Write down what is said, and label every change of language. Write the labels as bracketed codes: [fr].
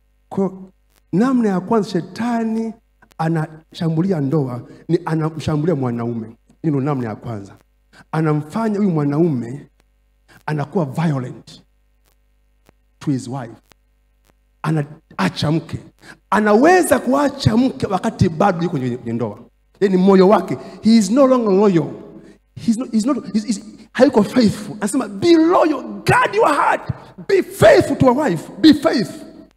[sw] Kwa namna ya kwanza shetani anashambulia ndoa ni anamshambulia mwanaume. Hilo namna ya kwanza. Anamfanya huyu mwanaume anakuwa [en] violent to his wife. [sw] Anaacha mke. Anaweza kuacha mke wakati bado yuko kwenye ndoa. Yaani moyo wake [en] he is no longer loyal. He's not hayuko faithful. Anasema be loyal, guard your heart. Be faithful to a wife. Be faithful.